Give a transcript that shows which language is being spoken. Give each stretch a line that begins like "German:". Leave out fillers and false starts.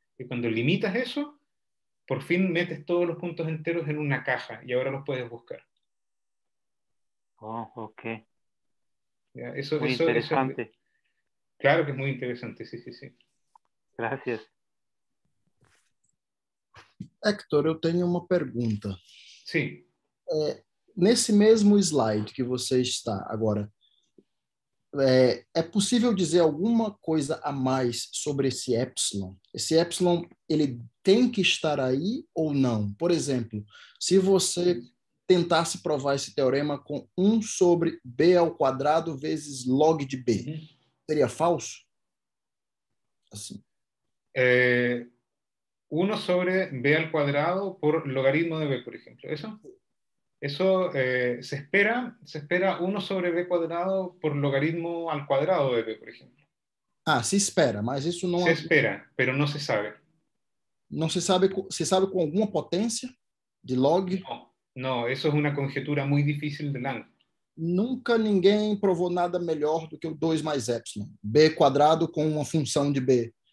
Spanish: Y cuando limitas eso, por fin metes todos los puntos enteros en una caja y ahora los puedes buscar. Oh, ok. Ya, eso, muy eso, interesante. Eso, Claro que es muy interesante, sí. Gracias.
Portuguese: Héctor, eu tenho uma pergunta. Sim. É, nesse mesmo slide que você está agora, é possível dizer alguma coisa a mais sobre esse epsilon? Esse epsilon, ele tem que estar aí ou não? Por exemplo, se você tentasse provar esse teorema com 1 sobre b ao quadrado vezes log de b, seria falso? Assim. É...
Spanish: 1 sobre b al cuadrado por logaritmo de b, por ejemplo. Eso se espera 1 sobre b cuadrado por logaritmo al cuadrado de b, por ejemplo. Ah, se espera, mas eso no... Se espera, pero no se sabe. ¿No se sabe? ¿Se sabe con alguna potencia de log? No, eso es una conjetura muy difícil de Lang.
Portuguese: Nunca ninguém provou nada melhor do que o 2 mais epsilon.
Spanish: B cuadrado con una función de b.